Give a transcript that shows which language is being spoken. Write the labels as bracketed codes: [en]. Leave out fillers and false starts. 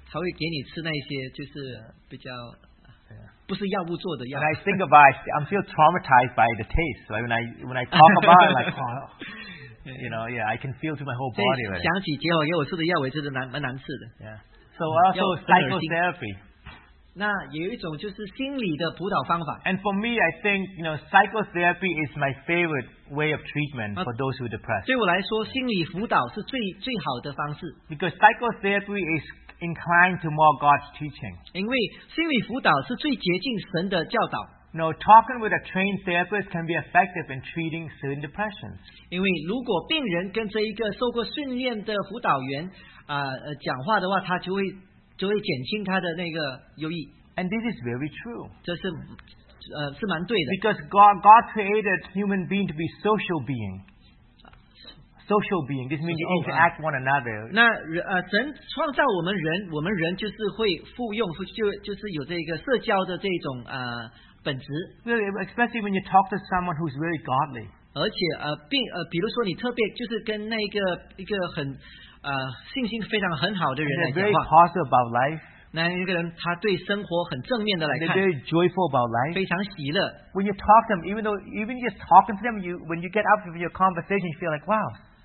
[zh] 他会给你吃那些就是比较。不是药物做的药。 [en] When I think about it, I'm still traumatized by the taste. Right? When I talk about it, like, oh. You know, yeah, I can feel to my whole body. [zh] 所以想起结果，因为我吃的药，我也是蛮难吃的。 [en] Yeah. So also psychotherapy. [zh] 那也有一种就是心理的辅导方法。 [en] And for me, I think you know psychotherapy is my favorite way of treatment for those who are depressed. [zh] 对我来说，心理辅导是最好的方式。 [en] Because psychotherapy is inclined to more God's teaching. [zh] 因为心理辅导是最接近神的教导。 [en] No, talking with a trained therapist can be effective in treating certain depressions. [zh] 因为如果病人跟这一个受过训练的辅导员讲话的话，他就会减轻他的那个忧郁。 [en] And this is very true. [zh] 这是是蛮对的。 [en] Because God created human being to be social being. Social being, this means you interact one another. [zh] 那神创造我们人，我们人就是会互用，就是有这个社交的这种本质。 [en] Really, especially when you talk to someone who's very godly. [zh] 而且，比如说你特别就是跟那个一个很信心非常很好的人来讲话。 [en] Very positive about life. [zh] 那一个人他对生活很正面的来看。 [en] Very joyful about life. [zh] 非常喜乐。 [en] When you talk to them, even though even just talking to them, you when you get up from your conversation, you feel like wow.